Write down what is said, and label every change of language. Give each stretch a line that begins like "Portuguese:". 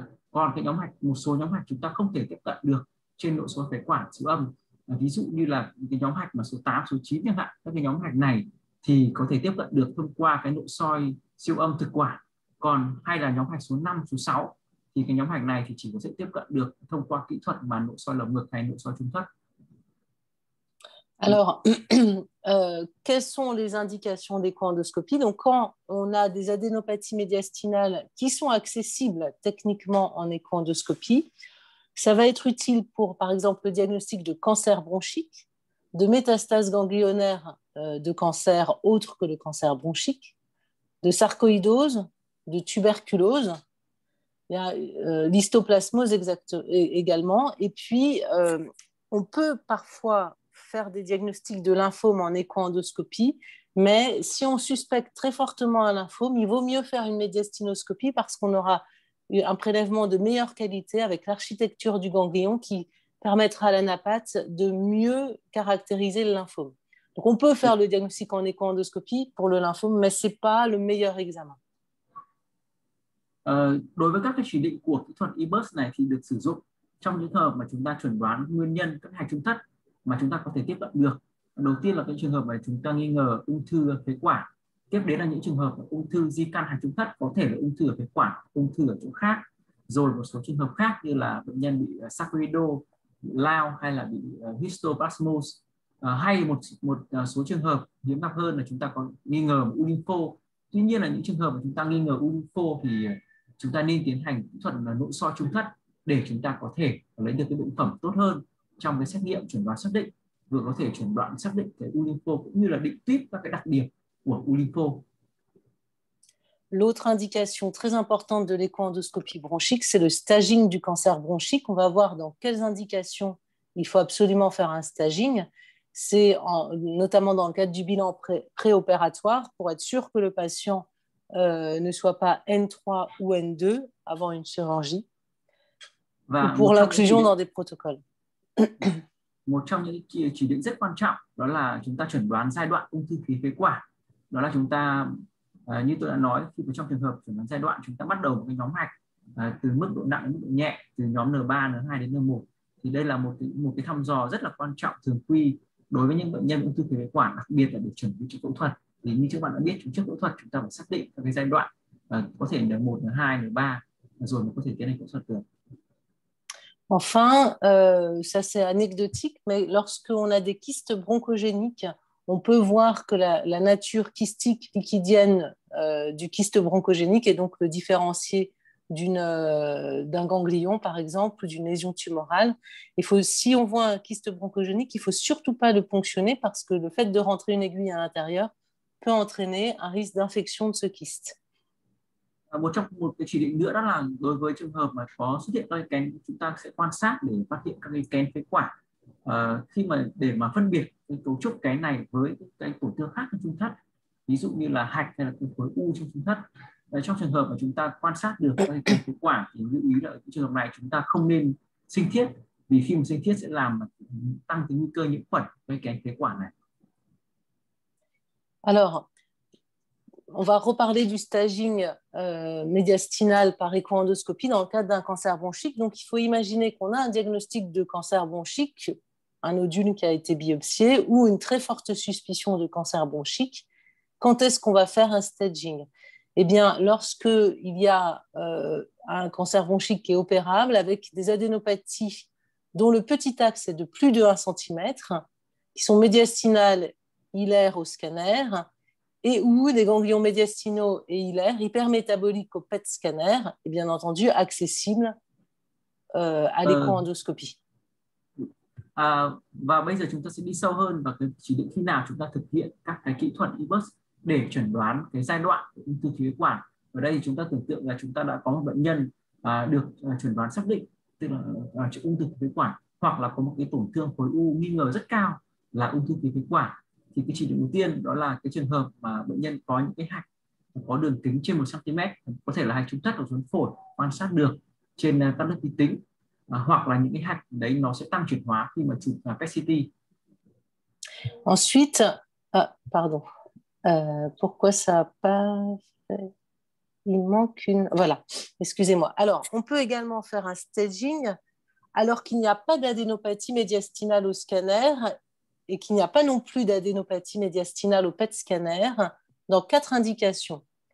Vietnamese: Còn cái nhóm hạch, một số nhóm hạch chúng ta không thể tiếp cận được trên nội soi phế quản siêu âm, ví dụ như là cái nhóm hạch mà số 8, số 9 chẳng hạn. Các cái nhóm hạch này thì có thể tiếp cận được thông qua cái nội soi siêu âm thực quản, còn hay là nhóm hạch số 5, số 6 thì cái nhóm hạch này thì chỉ có thể tiếp cận được thông qua kỹ thuật mà nội soi lồng ngực hay nội soi trung thất.
French: Alors, quelles sont les indications des coendoscopies? Donc, quand on a des adénopathies médiastinales qui sont accessibles techniquement en échoendoscopie, ça va être utile pour, par exemple, le diagnostic de cancer bronchique, de métastases ganglionnaires de cancer autre que le cancer bronchique, de sarcoïdose, de tuberculose, l'histoplasmose également. Et puis, on peut parfois faire des diagnostics de lymphome en échoendoscopie, mais si on suspecte très fortement un lymphome, il vaut mieux faire une médiastinoscopie parce qu'on aura un prélèvement de meilleure qualité avec l'architecture du ganglion qui permettra à l'anapathe de mieux caractériser le lymphome. Donc on peut faire le diagnostic en échoendoscopie pour le lymphome, mais ce n'est pas le meilleur examen.
Vietnamese: Đối với các cái chỉ định của kỹ thuật IBUS này thì được sử dụng trong những trường hợp mà chúng ta chuẩn đoán nguyên nhân các hạch trung thất mà chúng ta có thể tiếp cận được. Đầu tiên là cái trường hợp mà chúng ta nghi ngờ ung thư phế quản. Tiếp đến là những trường hợp ung thư di căn hạch trung thất, có thể là ung thư ở phế quản, ung thư ở chỗ khác. Rồi một số trường hợp khác như là bệnh nhân bị sarcoidosis, bị lao hay là bị histoplasmose. Hay một số trường hợp hiếm gặp hơn là chúng ta có nghi ngờ u lympho. Tuy nhiên là những trường hợp mà chúng ta nghi ngờ u lympho thì chúng ta nên tiến hành kỹ thuật là nội soi trung thất để chúng ta có thể lấy được cái bệnh phẩm tốt hơn trong cái xét nghiệm chuẩn đoán xác định, vừa có thể chuẩn đoán xác định cái u lympho cũng như là định tuyết các cái đặc điểm của u lympho.
French: L'autre indication très importante de l'échoendoscopie bronchique, c'est le staging du cancer bronchique. On va voir dans quelles indications il faut absolument faire un staging. C'est notamment dans le cadre du bilan préopératoire pour être sûr que le patient ne soit pas N3 ou N2 avant une chirurgie ou pour l'inclusion dans des protocoles.
Vietnamese: Một trong những chỉ định rất quan trọng đó là chúng ta chuẩn đoán giai đoạn ung thư khí phế quản. Đó là chúng ta, như tôi đã nói, khi trong trường hợp chuẩn đoán giai đoạn, chúng ta bắt đầu một cái nhóm hạch từ mức độ nặng đến mức độ nhẹ, từ nhóm N3, N2 đến N1. Thì đây là một cái thăm dò rất là quan trọng thường quy đối với những bệnh nhân ung thư khí phế quản, đặc biệt là để chuẩn bị cho phẫu thuật. Thì như các bạn đã biết, trước phẫu thuật chúng ta phải xác định các cái giai đoạn có thể N1, N2, N3 rồi mới có thể tiến hành phẫu thuật được.
French: Enfin, ça c'est anecdotique, mais lorsqu'on a des kystes bronchogéniques, on peut voir que la nature kystique liquidienne du kyste bronchogénique est donc le différencier d'un ganglion, par exemple, ou d'une lésion tumorale. Si on voit un kyste bronchogénique, il ne faut surtout pas le ponctionner parce que le fait de rentrer une aiguille à l'intérieur peut entraîner un risque d'infection de ce kyste.
Vietnamese: Một cái chỉ định nữa đó là đối với trường hợp mà có xuất hiện các kén, chúng ta sẽ quan sát để phát hiện các cái kén phế quản. Khi mà để mà phân biệt cái cấu trúc kén này với cái tổn thương khác trong trung thất, ví dụ như là hạch hay là cái khối u trong trung thất. Trong trường hợp mà chúng ta quan sát được các cái kén phế quản thì lưu ý là trường hợp này chúng ta không nên sinh thiết, vì khi mà sinh thiết sẽ làm tăng cái nguy cơ nhiễm khuẩn với kén phế quản này.
French: Alors, on va reparler du staging médiastinal par échoendoscopie dans le cadre d'un cancer bronchique. Donc, il faut imaginer qu'on a un diagnostic de cancer bronchique, un nodule qui a été biopsié ou une très forte suspicion de cancer bronchique. Quand est-ce qu'on va faire un staging? Eh bien, lorsqu'il y a un cancer bronchique qui est opérable avec des adénopathies dont le petit axe est de plus de 1 cm, qui sont médiastinales, hilaires au scanner, et ou des ganglions médiastinaux et hilaires, hypermétaboliques au PET scanner, et bien entendu accessibles à l'échoendoscopie.
Vietnamese: Và bây giờ chúng ta sẽ đi sâu hơn vào cái chỉ định khi nào chúng ta thực hiện các cái kỹ thuật IBUS để chẩn đoán cái giai đoạn ung thư khí quản. Ở đây thì chúng ta tưởng tượng là chúng ta đã có một bệnh nhân được chẩn đoán xác định, tức là chữ ung thư phế quản, hoặc là có một cái tổn thương khối u nghi ngờ rất cao là ung thư phế quản, thì cái chỉ định đầu tiên đó là cái trường hợp mà bệnh nhân có những cái hạch có đường kính trên 1 cm, có thể là hạch trung thất hoặc xuống phổi, quan sát được trên các lớp vi tính, hoặc là những cái hạch đấy nó sẽ tăng chuyển hóa khi mà chụp PET-CT.
French: Ensuite, pardon, pourquoi ça a pas fait? Il manque une. Voilà, excusez-moi. Alors, on peut également faire un staging alors qu'il n'y a pas d'adénopathie médiastinale au scanner et qu'il n'y a pas non plus d'adénopathie médiastinale au PET scanner dans 4 indications.